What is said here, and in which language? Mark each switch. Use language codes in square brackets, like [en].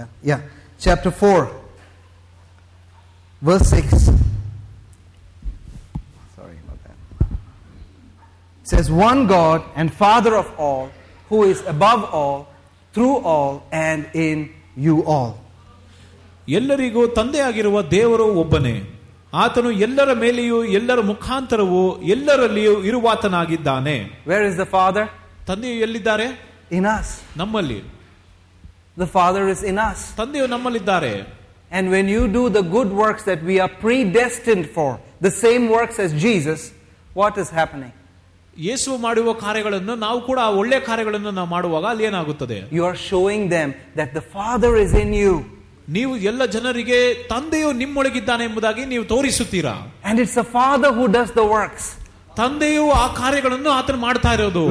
[en] Yeah, chapter 4, verse 6. It says, one God and Father of all, who is above all, through all, and in you all. [kn] ಎಲ್ಲರಿಗೂ ತಂದೆಯಾಗಿರುವ ದೇವರು ಒಬ್ಬನೇ. ಆತನು ಎಲ್ಲರ ಮೇಲೆಯೂ ಎಲ್ಲರ ಮುಖಾಂತರವೂ ಎಲ್ಲರಲ್ಲಿಯೂ ಇರುವಾತನಾಗಿದ್ದಾನೆ. [en] Where is the Father? [kn] ತಂದೆಯು ಎಲ್ಲಿದ್ದಾರೆ? [en] In us. [kn] ನಮ್ಮಲ್ಲಿ. [en] The Father is in us. [kn] ತಂದೆಯು ನಮ್ಮಲ್ಲಿದ್ದಾರೆ. [en] And when you do the good works that we are predestined for, the same works as Jesus, what is happening? [kn] ಯೇಸು ಮಾಡುವ ಕಾರ್ಯಗಳನ್ನು ನಾವು ಕೂಡ ಒಳ್ಳೆ ಕಾರ್ಯಗಳನ್ನು ನಾವು ಮಾಡುವಾಗ ಅಲ್ಲಿ ಏನಾಗುತ್ತದೆ? [en] You are showing them that the father is in you. [kn] ನೀವು ಎಲ್ಲ ಜನರಿಗೆ ತಂದೆಯು ನಿಮ್ಮೊಳಗಿದ್ದಾನೆ ಎಂಬುದಾಗಿ ನೀವು ತೋರಿಸುತ್ತೀರಾ. [en] And it's the father who does the works. [kn] ತಂದೆಯು ಆ ಕಾರ್ಯಗಳನ್ನು ಆತನು ಮಾಡ್ತಾ ಇರೋದು.